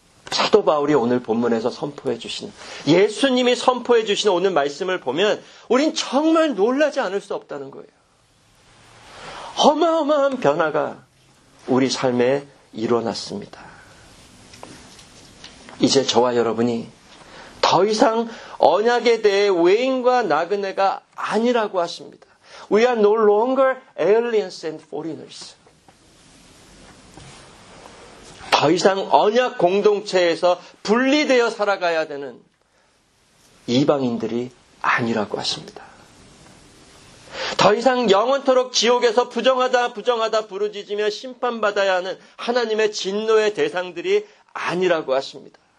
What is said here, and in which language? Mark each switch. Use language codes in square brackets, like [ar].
[ko] 사도 바울이 오늘 본문에서 선포해 주신 예수님이 선포해 주신 오늘 말씀을 보면 우린 정말 놀라지 않을 수 없다는 거예요. 어마어마한 변화가 우리 삶에 일어났습니다. 이제 저와 여러분이 더 이상 언약에 대해 외인과 나그네가 아니라고 하십니다. [en] We are no longer aliens and foreigners. [ko] 더 이상 언약 공동체에서 분리되어 살아가야 되는 이방인들이 아니라고 하십니다. 더 이상 영원토록 지옥에서 부정하다 부정하다 부르짖으며 심판받아야 하는 하나님의 진노의 대상들이 아니라고 하십니다.